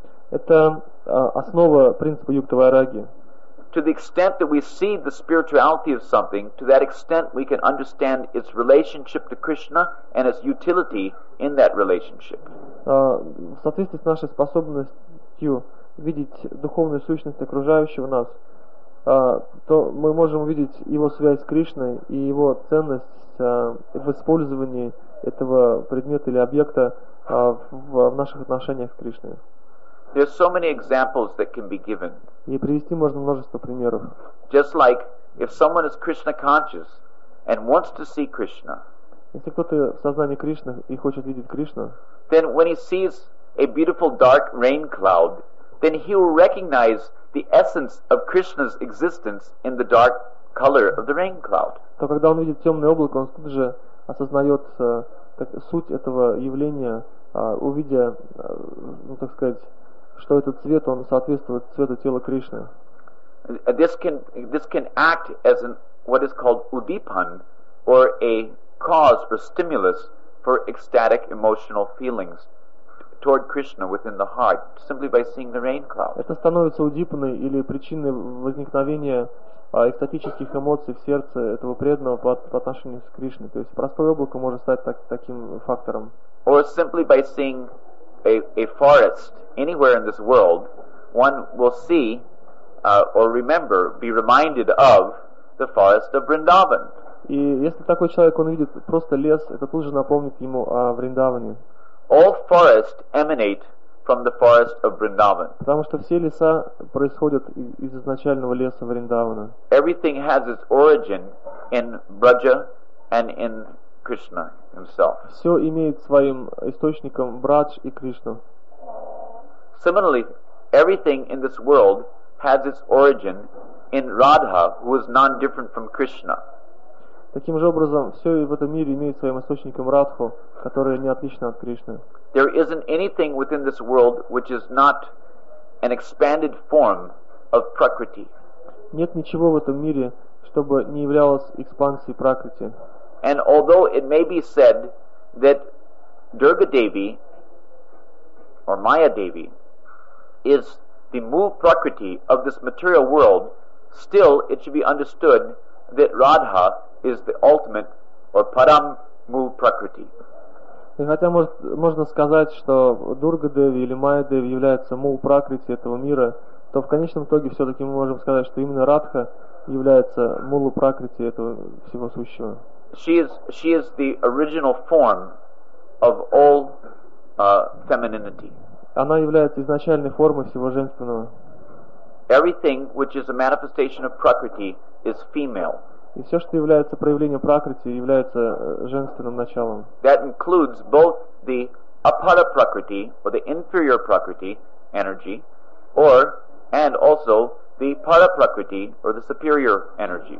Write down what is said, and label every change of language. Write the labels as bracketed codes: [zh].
[ru] Это основа принципа юкта вайраги. [en] To the extent that we see the spirituality of something, to that extent we can understand its relationship to Krishna and its utility in that relationship. [ru] В соответствии с нашей способностью видеть духовную сущность окружающего нас, то мы можем увидеть его связь с Кришной и его ценность в использовании этого предмета или объекта в наших отношениях с Кришной. [en] There's so many examples that can be given. [ru] И привести можно множество примеров. [en] Just like if someone is Krishna conscious and wants to see Krishna. [ru] Если кто-то в сознании Кришны и хочет видеть Кришну. [en] Then when he sees a beautiful dark rain cloud, then he will recognize the essence of Krishna's existence in the dark color of the rain cloud. [ru] То когда он видит темное облако, он тут же осознает суть этого явления, увидя, ну так сказать. Что этот цвет, он соответствует цвету тела Кришны. [en] This can act as an what is called udipan, or a cause or stimulus for ecstatic emotional feelings toward Krishna within the heart, simply by seeing the rain cloud. [ru] Это становится удипаной или причиной возникновения экстатических эмоций в сердце этого преданного по отношению к Кришне. То есть простое облако может стать таким фактором. [en] Or simply by seeing a forest anywhere in this world, one will see or remember, be reminded of the forest of Vrindavan. [ru] И если такой человек он видит просто лес, это тут же напомнит ему о Вриндаване. [en] All forests emanate from the forest of Vrindavan. [ru] Потому что все леса происходят из изначального леса Вриндавана. [en] Everything has its origin in Braja and in Krishna himself. [ru] Все имеет своим источником Брадж и Кришну. [en] Similarly, everything in this world has its origin in Radha, who is non-different from Krishna. [ru] Таким же образом, все в этом мире имеет своим источником Радху, которая не отлична от Кришны. [en] There isn't anything within this world which is not an expanded form of Prakriti. [ru] Нет ничего в этом мире, чтобы не являлось экспансией Пракрити. [en] And although it may be said that Durga Devi or Maya Devi is the mool prakriti of this material world, still it should be understood that Radha is the ultimate or param mool prakriti. [ru] И хотя можно сказать, что Дурга Деви или Майя Деви является мул пракрити этого мира, то в конечном итоге все-таки мы можем сказать, что именно Радха является мулу пракрити этого всего сущего. [en] She is the original form of all femininity. [ru] Она является изначальной формой всего женственного. [en] Everything which is a manifestation of prakriti is female. [ru] И все, что является проявлением прокрити, является женственным началом. [en] That includes both the apara prakriti or the inferior prakriti energy, or and also the para prakriti or the superior energy.